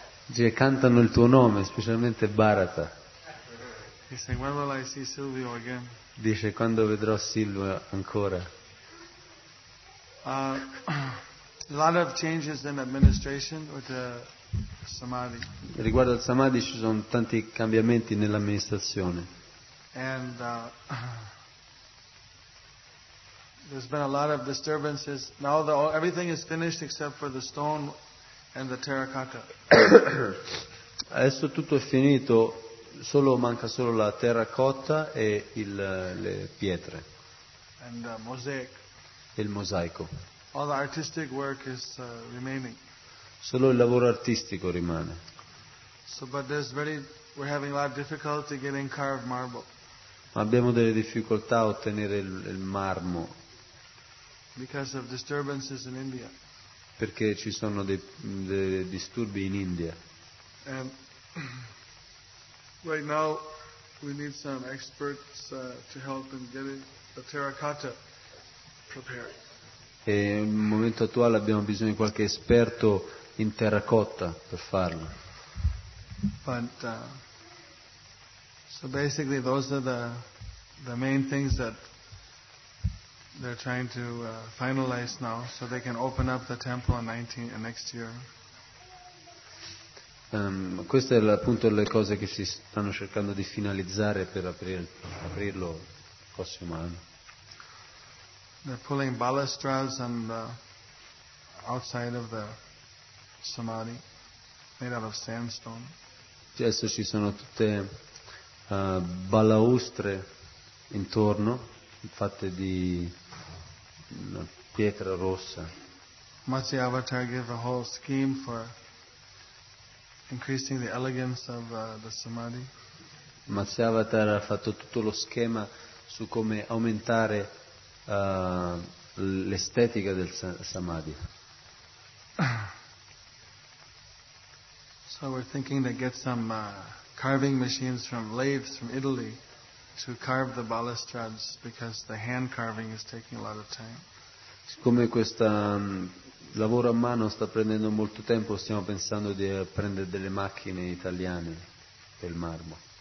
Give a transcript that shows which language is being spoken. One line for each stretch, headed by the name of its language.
Italian: Cioè, cantano il tuo nome, specialmente Bharata.
English: He's saying, when will I see Silvio again?
Italian: Dice, quando vedrò Silvio ancora?
English: A lot of changes in administration with the Samadhi.
Italian: Riguardo al Samadhi ci sono tanti cambiamenti nell'amministrazione.
English: And there's been a lot of disturbances. Now everything is finished except for the stone and the terracotta.
Italian: Adesso tutto è finito, manca solo la terracotta e le pietre.
English: And the mosaic.
Italian: Il mosaico.
English: All the artistic work is remaining.
Italian: Solo il lavoro artistico rimane. Ma abbiamo delle difficoltà a ottenere il marmo.
English: because of disturbances in India.
Italian: Perché ci sono dei disturbi in India.
English: And right now we need some experts to help in getting the terracotta prepared.
Italian: E nel momento attuale abbiamo bisogno di qualche esperto in terracotta per farlo.
English: But so basically those are the main things that they're trying to finalize now, so they can open up the temple in 19 and next year.
Italian: Queste sono appunto le cose che si stanno cercando di finalizzare per aprirlo il prossimo anno.
English: They're pulling balustrades on the outside of the samadhi, made out of sandstone.
Italian: Adesso ci sono tutte balaustre intorno, fatte di una pietra rossa.
English: Matsya Avatar gave a whole scheme for increasing the elegance of the samadhi.
Italian: Matsya Avatar ha fatto tutto lo schema su come aumentare l'estetica del samadhi.
English: So we're thinking to get some carving machines from lathes from Italy to carve the balustrades because the hand carving is taking a lot of time.
Italian: Siccome questo lavoro a mano sta prendendo molto tempo, stiamo pensando di prendere delle macchine italiane per il marmo.